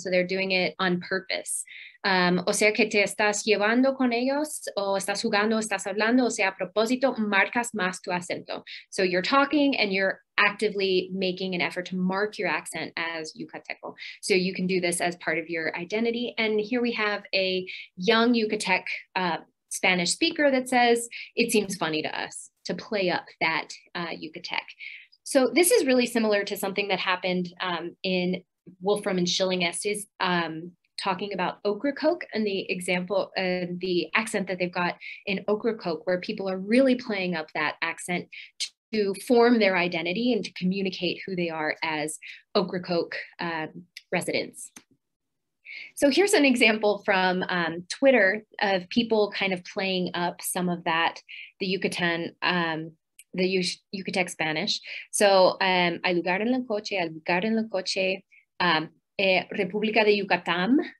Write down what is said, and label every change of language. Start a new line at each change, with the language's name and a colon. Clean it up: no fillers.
English: So they're doing it on purpose.
Spanish: O sea que te estás llevando con ellos, o estás jugando, estás hablando, o sea, a propósito, marcas más tu acento.
English: So you're talking and you're actively making an effort to mark your accent as Yucateco. So you can do this as part of your identity. And here we have a young Yucatec Spanish speaker that says, it seems funny to us to play up that Yucatec. So this is really similar to something that happened in Wolfram and Schilling essays, talking about Ocracoke and the example, the accent that they've got in Ocracoke, where people are really playing up that accent to form their identity and to communicate who they are as Ocracoke residents. So here's an example from Twitter of people kind of playing up some of that, the Yucatán, the Yucatec Spanish.
Spanish: So, hay lugar en el coche, hay lugar en el coche. República de Yucatán,